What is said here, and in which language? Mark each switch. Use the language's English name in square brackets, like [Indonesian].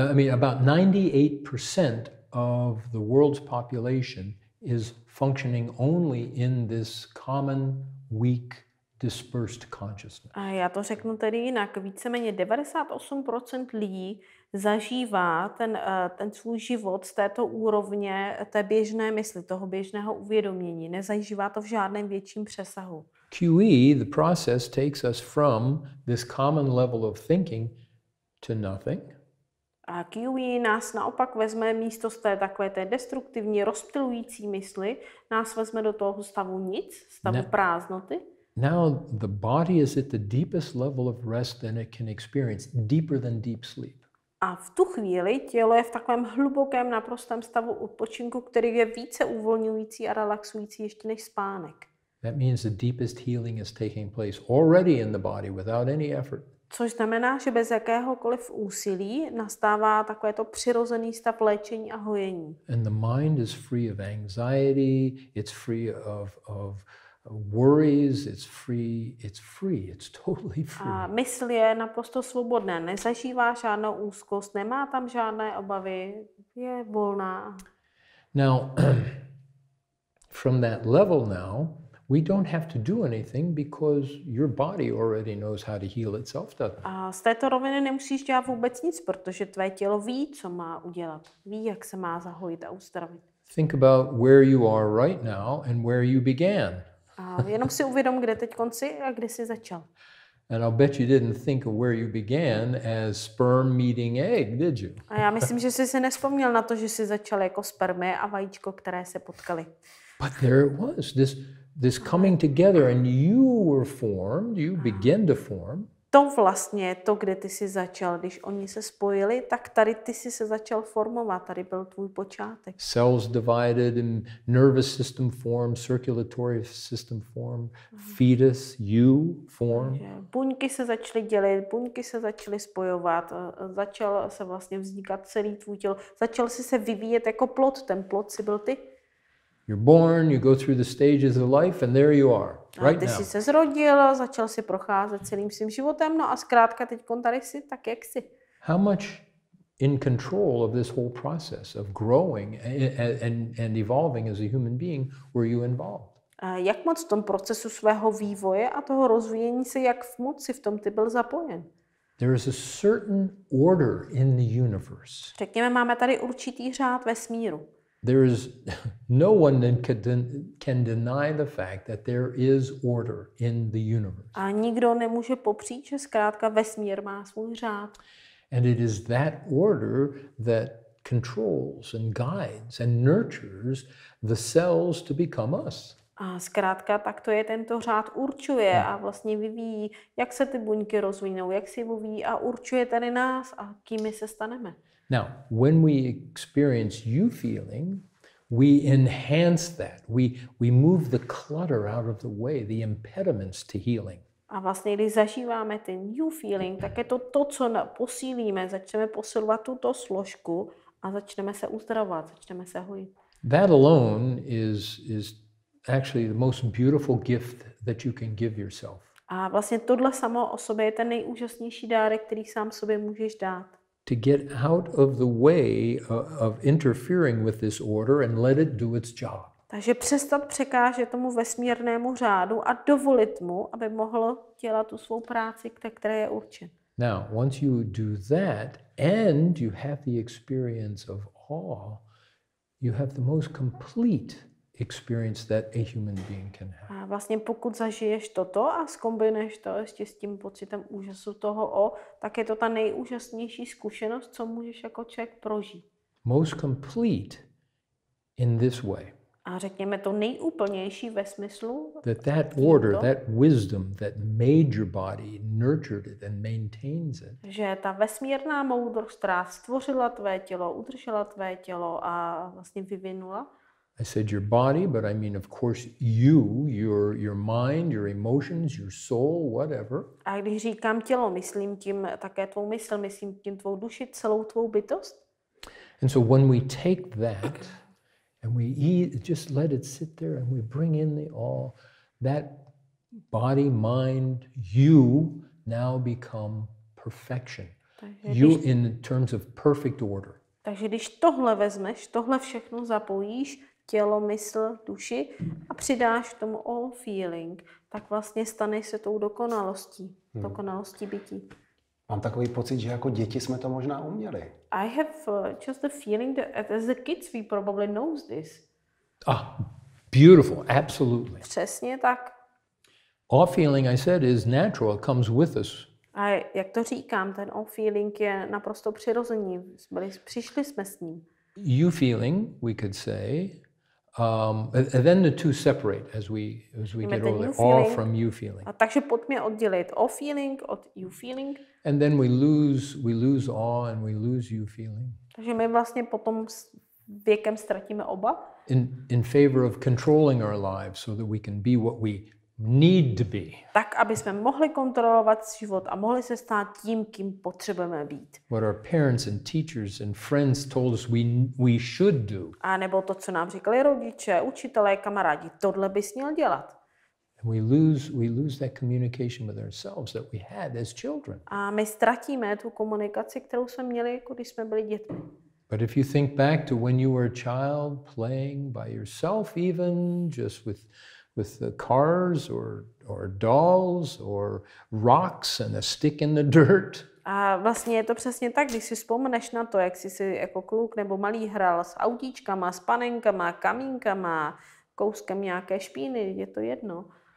[English] About 98% of the world's population is functioning only in this common, weak, dispersed consciousness. [Czech] A já to řeknu tedy jinak. Víceméně 98% lidí zažívá ten svůj život z této úrovně té běžné mysli, toho běžného uvědomění. Nezažívá to v žádném větším přesahu. [English] QE, the process, takes us from this common level of thinking to nothing. [Czech] A QE nás naopak vezme místo z té takové té destruktivní, rozptylující mysli, nás vezme do toho stavu nic, stavu now, prázdnoty. [English] Now the body is at the deepest level of rest that it can experience, deeper than deep sleep. [Czech] A v tu chvíli tělo je v takovém hlubokém, naprostém stavu odpočinku, který je více uvolňující a relaxující ještě než spánek. [English] That means the deepest healing is taking place already in the body without any effort. [Czech] Což znamená, že bez jakéhokoliv úsilí nastává takovéto přirozený stav léčení a hojení. [English] And the mind is free of anxiety, it's free of worries, it's free, it's totally free. [Czech] A mysl je naprosto svobodná, nezažívá žádnou úzkost, nemá tam žádné obavy, je volná. [English] Now from that level now we don't have to do anything because your body already knows how to heal itself, doesn't it? [Czech] A z této roviny nemusíš dělat vůbec nic, protože tvé tělo ví, co má udělat. Ví, jak se má zahojit a uzdravit. [English] Think about where you are right now and where you began. [Czech] A jenom si uvědom, kde teď konci a kde jsi začal. [English] And I'll bet you didn't think of where you began as sperm meeting egg, did you? [Czech] A já myslím, že jsi se nespomněl na to, že jsi začal jako spermie a vajíčko, které se potkali. [English] But there it was, this coming together and you were formed, you begin to form. [Czech] To vlastně to, kde ty jsi začal, když oni se spojili, tak tady ty jsi se začal formovat, tady byl tvůj počátek. [English] Cells divided and nervous system form, circulatory system form, fetus, you form. [Czech] Buňky se začaly dělit, buňky se začaly spojovat, začal se vlastně vznikat celý tvůj tělo, začal jsi se vyvíjet jako plod, ten plod jsi byl ty. [English] You're born, you go through the stages of life, and there you are, right now. [Czech] Ty jsi se zrodil, začal jsi procházet celým svým životem, no a zkrátka teďkon tady jsi tak, jak jsi. [English] How much in control of this whole process of growing and evolving as a human being were you involved? [Czech] Jak moc v tom procesu svého vývoje a toho rozvíjení se, jak moc jsi v tom ty byl zapojen? [English] There is a certain order in the universe. [Czech] Řekněme, máme tady určitý řád ve smíru. [English] There is no one that can deny the fact that there is order in the universe. [Czech] A nikdo nemůže popřít, že zkrátka vesmír má svůj řád. [English] And it is that order that controls and guides and nurtures the cells to become us. [Czech] A zkrátka tak to je, tento řád určuje a vlastně vyvíjí, jak se ty buňky rozvinou, jak si vyvíjí a určuje tady nás a kým my se staneme. [English] Now, when we experience you feeling, we enhance that. We move the clutter out of the way, the impediments to healing. [Czech] A vlastně, když zažíváme ten you feeling, tak je to to, co posílíme, začneme posilovat tuto složku a začneme se uzdravovat, začneme se hojit. [English] That alone is actually the most beautiful gift that you can give yourself. [Czech] A vlastně tohle samo o sobě je ten nejúžasnější dárek, který sám sobě můžeš dát. [English] To get out of the way of interfering with this order and let it do its job. [Czech] Takže přestat překážet tomu vesmírnému řádu a dovolit mu, aby mohl dělat tu svou práci, které je určen. [English] Now, once you do that and you have the experience of awe, you have the most complete experience that a human being can have. [Czech] A vlastně pokud zažiješ toto a zkombinuješ to ještě s tím pocitem úžasu toho o, tak je to ta nejúžasnější zkušenost, co můžeš jako člověk prožít. [English] Most complete in this way. [Czech] A řekněme to nejúplnější ve smyslu [English] that that order, that wisdom that made your body, nurtured it and maintains it. [Czech] Že ta vesmírná moudrost, která stvořila tvé tělo, udržela tvé tělo a vlastně vyvinula. [English] I said your body, but I mean of course you, your mind, your emotions, your soul, whatever. [Czech] A když říkám tělo, myslím tím také tvou mysl, myslím tím tvou duši, celou tvou bytost. [English] And so when we take that and we just let it sit there and we bring in the all, that body, mind, you now become perfection. You in terms of perfect order. [Czech] Takže když tohle vezmeš, tohle všechno zapojíš, tělo, mysl, duši a přidáš tomu all feeling, tak vlastně staneš se tou dokonalostí, dokonalostí bytí. Mám takový pocit, že jako děti jsme to možná uměli. [English] I have just a feeling that as a kids we probably know this. Ah, beautiful, absolutely. [Czech] Přesně tak. [English] All feeling, I said, is natural, it comes with us. [Czech] A jak to říkám, ten all feeling je naprosto přirozený, přišli jsme s ním. [English] You feeling, we could say, and then the two separate as we get older. All from you feeling. [Czech] A takže pojďme oddělit all feeling od you feeling. [English] And then we lose all and we lose you feeling. [Czech] Takže my vlastně potom s věkem ztratíme oba. [English] In favor of controlling our lives so that we can be what we need to be. [Czech] Tak aby jsme mohli kontrolovat život a mohli se stát tím, kým potřebujeme být. [English] What our parents and teachers and friends told us we should do. [Czech] A nebo to, co nám říkali rodiče, učitelé, kamarádi, tohle bys měl dělat. [English] And we lose that communication with ourselves that we had as children. [Czech] A my ztratíme tu komunikaci, kterou jsme měli, když jsme byli dětmi. [English] But if you think back to when you were a child playing by yourself even just with the cars or dolls or rocks and a stick in the dirt. [Czech] A vlastně je to přesně tak, když si vzpomeneš na to, jak jsi si jako kluk nebo malý hrál s autíčkama, s panenkama, kamínkama, kouskem nějaké špíny, je to jedno.